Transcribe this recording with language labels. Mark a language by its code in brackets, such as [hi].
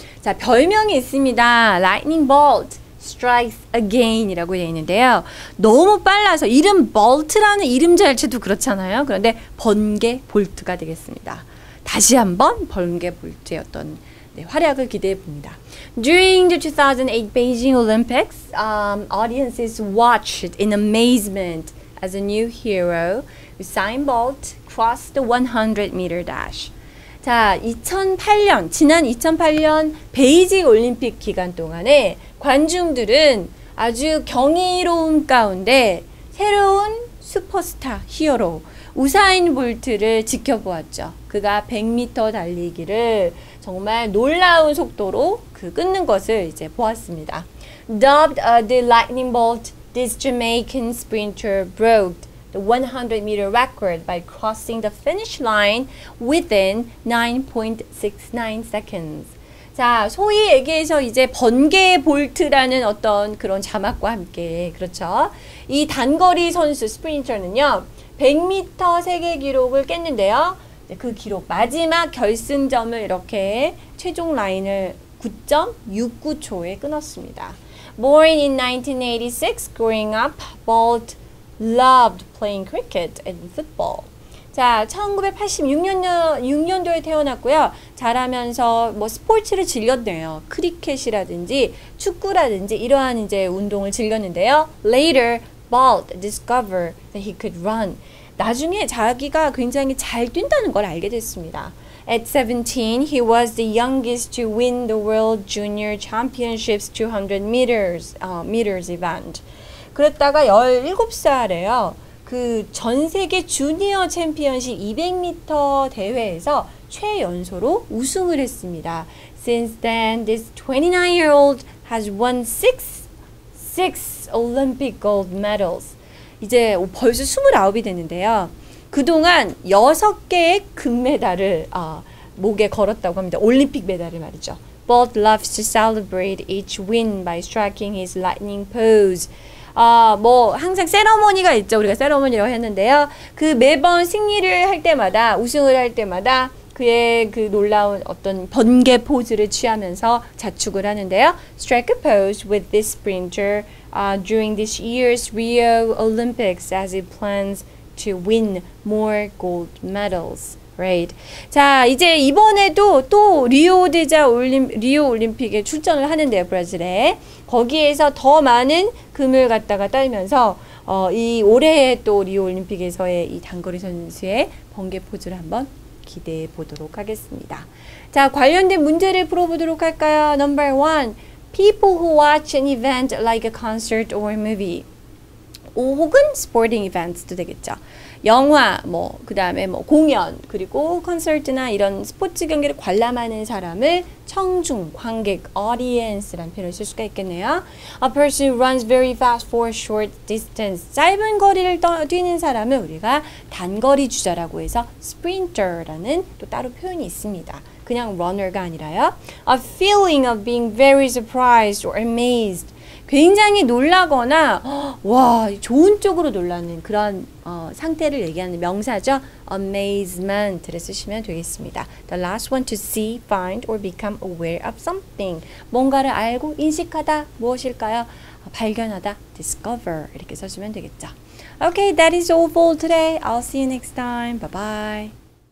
[ko] 자, 별명이 있습니다. Lightning Bolt Strikes Again이라고 되어 있는데요. 너무 빨라서 이름 Bolt라는 이름 자체도 그렇잖아요. 그런데 번개 볼트가 되겠습니다. 다시 한번 번개 볼트의 어떤 네, 활약을 기대해 봅니다. [en] During the 2008 Beijing Olympics, audiences watched in amazement as a new hero, Usain Bolt, crossed the 100m dash. [ko] 자, 지난 2008년 베이징 올림픽 기간 동안에 관중들은 아주 경이로움 가운데 새로운 슈퍼스타 히어로 우사인 볼트를 지켜보았죠. 그가 100m 달리기를 정말 놀라운 속도로 그 끊는 것을 이제 보았습니다. [en] Dubbed the lightning bolt, this Jamaican sprinter broke the 100m record by crossing the finish line within 9.69 seconds. [ko] 자, 소위 얘기해서 이제 번개 볼트라는 어떤 그런 자막과 함께 그렇죠. 이 단거리 선수 스프린터는요. 100m 세계 기록을 깼는데요. 그 기록 마지막 결승점을 이렇게 최종 라인을 9.69초에 끊었습니다. [en] Born in 1986, growing up, Bolt loved playing cricket and football. [ko] 자, 1986년도에 태어났고요. 자라면서 뭐 스포츠를 즐겼네요. 크리켓이라든지 축구라든지 이러한 이제 운동을 즐겼는데요. [en] Later, Bolt discovered that he could run. [ko] 나중에 자기가 굉장히 잘 뛴다는 걸 알게 됐습니다. [en] At 17, he was the youngest to win the World Junior Championships 200m event. [ko] 그랬다가 17살에요. 그 전 세계 주니어 챔피언십 200m 대회에서 최연소로 우승을 했습니다. [en] Since then, this 29-year-old has won six Olympic gold medals. [ko] 이제 벌써 29이 됐는데요. 그동안 6개의 금메달을 목에 걸었다고 합니다. 올림픽 메달을 말이죠. [en] Bolt loves to celebrate each win by striking his lightning pose. [ko] 뭐 항상 세리머니가 있죠. 우리가 세리머니라고 했는데요. 그 매번 승리를 할 때마다 우승을 할 때마다 그의 그 놀라운 어떤 번개 포즈를 취하면서 자축을 하는데요. [en] Strike a pose with this sprinter during this year's Rio Olympics as he plans to win more gold medals. Right. [ko] 자, 이제 이번에도 또 리오 올림픽에 출전을 하는데요, 브라질에. 거기에서 더 많은 금을 갖다가 따면서 이 올해의 또 리오 올림픽에서의 이 단거리 선수의 번개 포즈를 한번 기대해 보도록 하겠습니다. 자, 관련된 문제를 풀어보도록 할까요? [en] Number one, people who watch an event like a concert or a movie. [ko] 혹은 스포팅 이벤트도 되겠죠. 영화, 뭐 그다음에 뭐 공연, 그리고 콘서트나 이런 스포츠 경기를 관람하는 사람을 청중, 관객, audience란 표현을 쓸 수가 있겠네요. [en] A person who runs very fast for a short distance. [ko] 짧은 거리를 뛰는 사람을 우리가 단거리 주자라고 해서 sprinter라는 또 따로 표현이 있습니다. 그냥 runner가 아니라요. [en] A feeling of being very surprised or amazed. [ko] 굉장히 놀라거나 와 좋은 쪽으로 놀라는 그런 상태를 얘기하는 명사죠. Amazement를 쓰시면 되겠습니다. [en] The last one to see, find or become aware of something. [ko] 뭔가를 알고 인식하다 무엇일까요? 발견하다, discover 이렇게 써주면 되겠죠. [en] Okay, that is all for today. I'll see you next time. Bye-bye.